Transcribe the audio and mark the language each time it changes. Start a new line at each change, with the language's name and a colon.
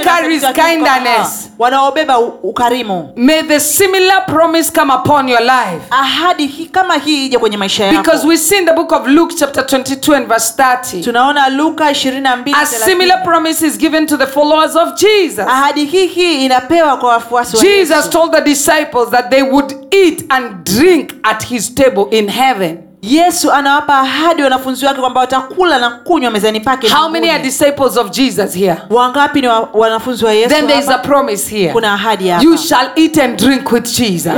English: Who carries kindness.
Swahili: Wanaobeba ukarimu.
English: May the similar promise come upon your life.
Swahili: Ahadi hii kama hii ije kwenye maisha yako.
English: Because we see in the book of Luke chapter 22 and verse 30.
Swahili: Tunaona Luka 22:30.
English: A similar promise is given to the followers of Jesus.
Swahili: Ahadi hii hii inapewa kwa wafuasi wa Jesus.
English: Jesus told the disciples that they would eat and drink at his table in heaven.
Swahili: Yesu anawapa ahadi wanafunzi wake kwamba watakula na kunywa mezani pake.
English: How many are disciples of Jesus here?
Swahili: Wangapi ni wanafunzi wa Yesu?
English: Then there is a promise here.
Swahili: Kuna ahadi hapa.
English: You shall eat and drink with Jesus.